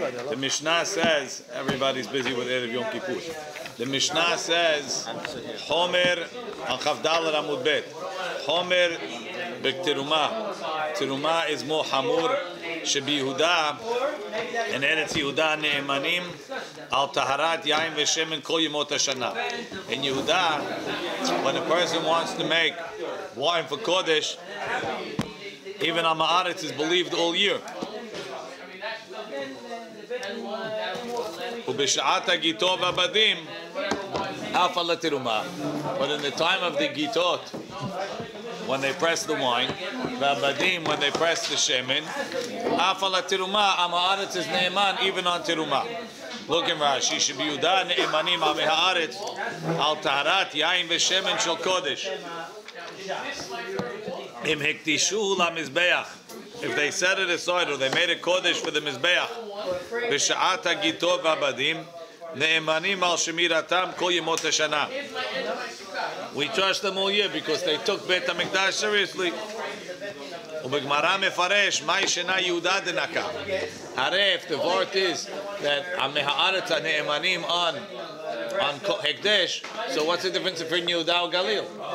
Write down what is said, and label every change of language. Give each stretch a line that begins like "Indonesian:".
English: The Mishnah says, everybody's busy with Erev Yom Kippur. The Mishnah says, Homer on Chaf Dalet Amud Bet. Homer b'Teruma. Teruma is more Hamur.
Hebrew: שביהודה,
English: in Eretz Yehuda,
Hebrew: נאמנים על טהרת יין ושמן כל ימות השנה.
English: In Yehuda, when a person wants to make wine for Kodesh, even on Ma'aretz is believed all year. ובשעת הגיטו והבדים, אף על התרומה. But in the time of the גיטות, when they press the wine, והבדים, when they press the shemen,
Hebrew: אף על התרומה,
English: עם הארץ is נאמן, even on תרומה. Look in Rashi,
Hebrew: שביהודה נאמנים עם הארץ, על טהרת יין ושמן של קודש. אם הקדישו למזבח,
English: if they set it aside, or they made a
Hebrew: קודש for the מזבח, בשעת הגיטו והבדים, נאמנים על שמירתם כל ימות השנה.
English: We trust them all year because they took Beit HaMikdash seriously.
Hebrew: ובגמרא מפרש, מי שנה יהודה דנקה. הרי
English: if the word is that
Hebrew: עמי הארץ הנאמנים
English: on הקדש, so what's the difference between יהודה or גליל?